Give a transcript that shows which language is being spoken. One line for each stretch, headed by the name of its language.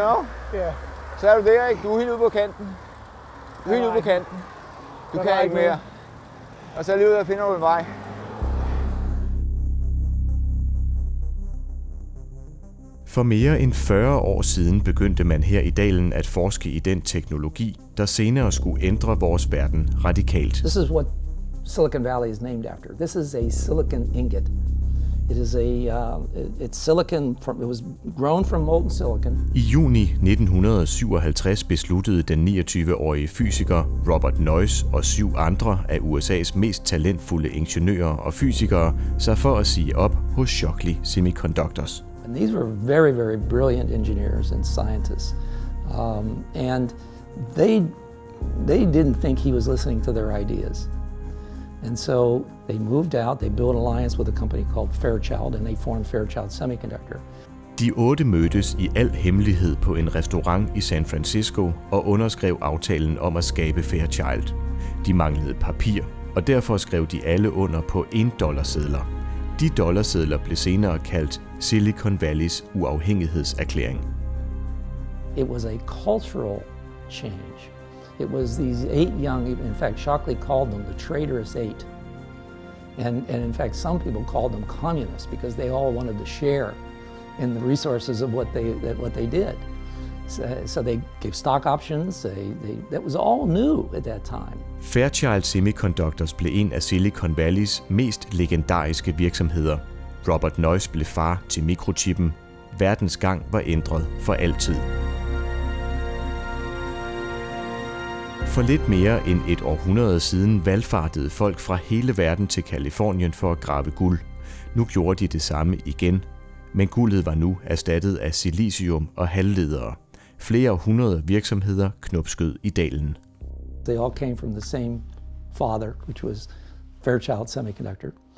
English: You know? Yeah.
Danish: Så er du der, ikke? Du er helt ude på kanten. Du er helt ude på kanten. Du kan ikke mere. Og så er lige ud og finder du en vej. For mere end 40 år siden begyndte man her i dalen at forske i den teknologi, der senere skulle ændre vores verden radikalt.
English: This is what Silicon Valley is named after. This is a silicon ingot. It is a it's silicon from it was grown from molten silicon.
Danish: I juni 1957 besluttede den 29-årige fysiker Robert Noyce og syv andre af USA's mest talentfulde ingeniører og fysikere sig for at sige op hos Shockley Semiconductors.
English: And these were very, very brilliant engineers and scientists. And they didn't think he was listening to their ideas. And so they moved out, they built an alliance with a company called Fairchild, and they formed Fairchild Semiconductor.
Danish: De otte mødtes i al hemmelighed på en restaurant i San Francisco og underskrev aftalen om at skabe Fairchild. De manglede papir, og derfor skrev de alle under på $1-sedler. De dollarsedler blev senere kaldt Silicon Valleys uafhængighedserklæring.
English: It was a cultural change. It was these eight young, in fact, Shockley called them the traitorous eight. And in fact, some people called them communists because they all wanted to share in the resources of what they did. So they gave stock options. They that was all new at that time.
Danish: Fairchild Semiconductors blev en af Silicon Valleys mest legendariske virksomheder. Robert Noyce blev far til mikrochippen. Verdens gang var ændret for altid. For lidt mere end et århundrede siden valfartede folk fra hele verden til Californien for at grave guld. Nu gjorde de det samme igen. Men guldet var nu erstattet af silicium og halvledere. Flere hundrede virksomheder knopskød i dalen.
English: They all came from the same father, which was Fairchild Semiconductor.